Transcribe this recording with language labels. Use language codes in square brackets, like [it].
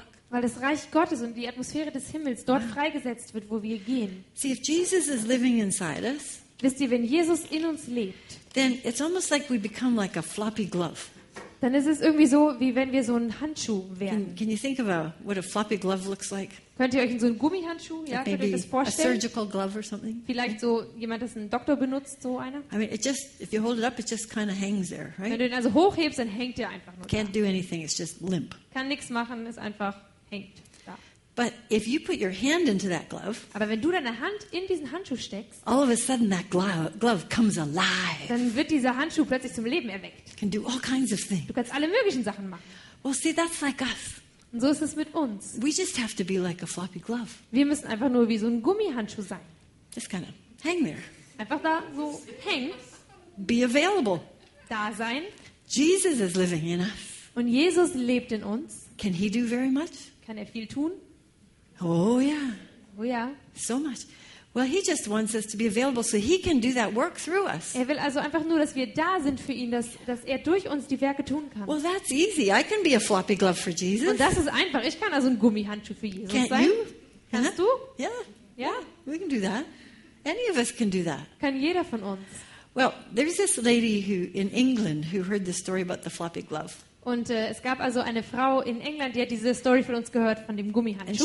[de] Weil das Reich Gottes und die Atmosphäre des Himmels dort freigesetzt wird, wo wir gehen. [en] See, if Jesus is living inside us, [de] wisst ihr, wenn Jesus in uns lebt, [en] then it's almost like we become like a floppy glove. [de] Dann ist es irgendwie so, wie wenn wir so ein Handschuh wären. [en] Can you think about what a floppy glove looks like? [de] Könnt ihr euch in so einen Gummihandschuh, ja, könnt ihr das vorstellen? [en] A surgical glove or something? [de] Vielleicht so jemand, das einen Doktor benutzt, so einer? [en] I mean, it just, if you hold it up, it just kind of hangs there, right? [de] Wenn du ihn also hochhebst, dann hängt er einfach nur. [en] Can't do anything, it's just limp. [de] Kann nichts machen, es einfach hängt da. [en] But if you put your hand into that glove, [de] aber wenn du deine Hand in diesen Handschuh steckst, [en] all of a sudden that glove comes alive. [de] Dann wird dieser Handschuh plötzlich zum Leben erweckt. [en] Can do all kinds of things. [de] Du kannst alle möglichen Sachen machen. [en] Well, see, that's like us. [de] Und so ist es mit uns. [en] We just have to be like a floppy glove. [de] Wir müssen einfach nur wie so ein Gummihandschuh sein. [en] Just kind of hang there. [de] Einfach da so hängen. [en] Be available. [de] Da sein. [en] Jesus is living in us. [de] Und Jesus lebt in uns. [en] Can he do very much? [de] Kann er viel tun? [en] Oh yeah. Oh yeah. So much. Well, he just wants us to be available so he can do that work through us. [de] Er will also einfach nur, dass wir da sind für ihn, dass er durch uns die Werke tun kann. [en] Well, that's easy. I can be a floppy glove for Jesus. [de] Und das ist einfach. Ich kann also ein Gummihandschuh für Jesus [en] Can't [de] sein. [en] You? [de] Kannst du? [en] Yeah. We can do that. Any of us can do that. [de] Kann jeder von uns. [en] Well, there's this lady who in England who heard the story about the floppy glove. [de] Und es gab also eine Frau in England, die hat diese Story von uns gehört von dem Gummihandschuh.